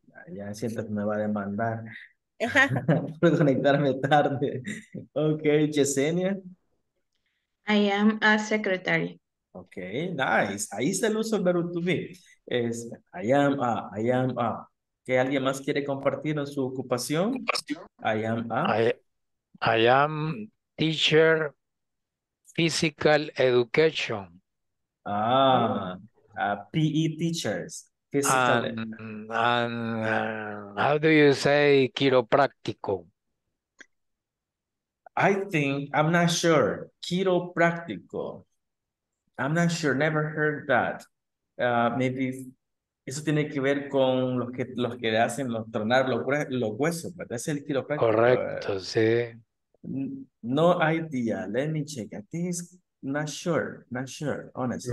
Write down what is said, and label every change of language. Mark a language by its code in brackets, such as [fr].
[es] Ya siento que me va a demandar por conectarme tarde. [en] Okay, Yesenia. I am a secretary. Okay, nice. [es] Ahí está el uso del verbo to be. Es [en] I am a. [es] ¿Qué alguien más quiere compartir en su ocupación? [en] I am a. I am teacher physical education. Ah, PE teachers. And how do you say quiropráctico? I think, I'm not sure. Quiropráctico. I'm not sure, never heard that. [es] Maybe eso tiene que ver con los que hacen tronar los huesos, ¿verdad? Es el quiropráctico. Correcto, sí. [en] No idea. Let me check. I think it's not sure, honestly.